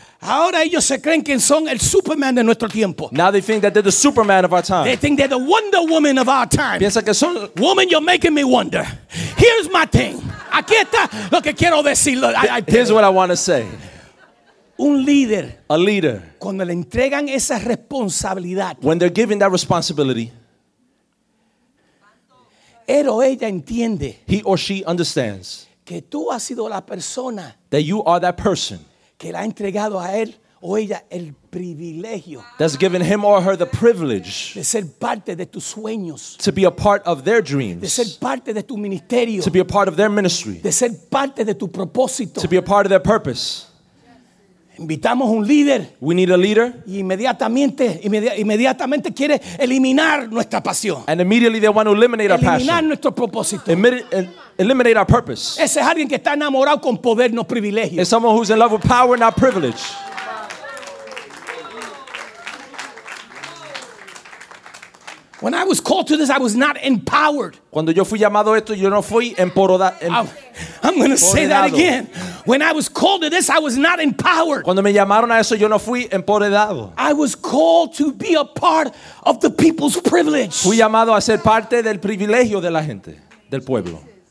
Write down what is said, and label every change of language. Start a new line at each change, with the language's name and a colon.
Spanish: Ahora ellos se creen que son el Superman de nuestro tiempo.
English: Now they think that they're the Superman of our time. They think they're the Wonder Woman of our time.
Spanish: Piensa que son...
English: Woman, you're making me wonder. Here's my thing.
Spanish: Aquí está lo que quiero decir.
English: Here's what I want to say.
Spanish: Un líder.
English: A leader.
Spanish: Cuando le entregan esa responsabilidad.
English: When they're given that responsibility.
Spanish: Él o ella entiende.
English: He or she understands.
Spanish: Que tú has sido la persona.
English: That you are that person.
Spanish: Que le ha entregado a él o ella el privilegio.
English: That's given him or her the privilege.
Spanish: De ser parte de tus sueños.
English: To be a part of their dreams.
Spanish: De ser parte de tu ministerio.
English: To be a part of their ministry.
Spanish: De ser parte de tu propósito.
English: To be a part of their purpose.
Spanish: Invitamos un líder.
English: We need a leader.
Spanish: Y inmediatamente quiere eliminar nuestra pasión.
English: And immediately they want to eliminate
Spanish: eliminar
English: our passion.
Spanish: Eliminar nuestro propósito.
English: Eliminate our purpose.
Spanish: Ese es alguien que está enamorado con poder, no privilegio.
English: It's someone who's in love with power, not privilege. When I was called to this, I was not empowered.
Spanish: Cuando yo fui llamado a esto, yo no fui
English: I'm going to say that again. When I was called to this, I was not empowered.
Spanish: Cuando me llamaron a eso, yo no fui empoderado.
English: I was called to be a part of the people's privilege.
Spanish: Fui llamado a ser parte del privilegio de la gente, del pueblo.